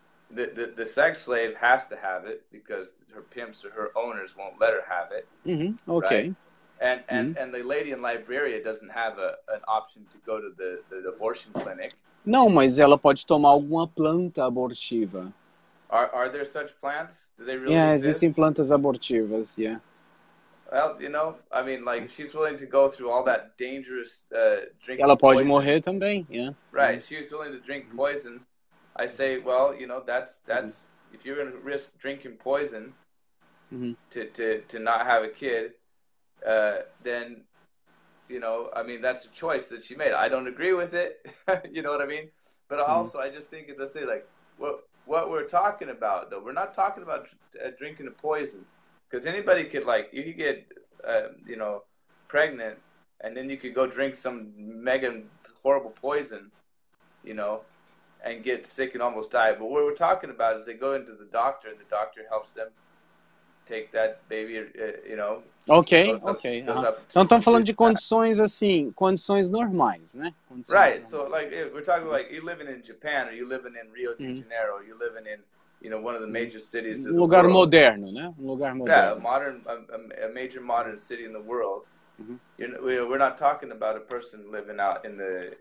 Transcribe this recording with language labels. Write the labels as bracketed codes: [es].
[en] The sex slave has to have it because her pimps or her owners won't let her have it. Mm-hmm. Okay. Right? And the lady in Liberia doesn't have an option to go to the abortion clinic. [pt] Não, mas ela pode tomar alguma planta abortiva. [en] Are there such plants? Do they really yeah, exist? [pt] Existem plantas abortivas, yeah. [en] Well, you know, I mean, like, she's willing to go through all that dangerous drinking [pt] ela pode [en] poison. [pt] Morrer também, yeah. [en] Right, she's willing to drink poison. I say, well, you know, that's mm-hmm. if you're going to risk drinking poison mm-hmm. to not have a kid, then, you know, I mean, that's a choice that she made. I don't agree with it, you know what I mean? But mm-hmm. also, I just think, let's say, like, what we're talking about, though, we're not talking about drinking a poison, because anybody could, like, you could get, you know, pregnant and then you could go drink some mega horrible poison, you know, and get sick and almost die. But what we're talking about is they go into the doctor, and the doctor helps them take that baby, you know. Okay, okay. [pt] Então estamos falando de condições assim, condições normais, né? [en] Right, so like, we're talking like, you're living in Japan, or you're living in Rio de Janeiro, or you're living in, you know, one of the major cities in the [pt] lugar [en] world. [pt] Moderno, né? Lugar moderno. [en] Yeah, a major modern city in the world. We're not talking about a person living out in the...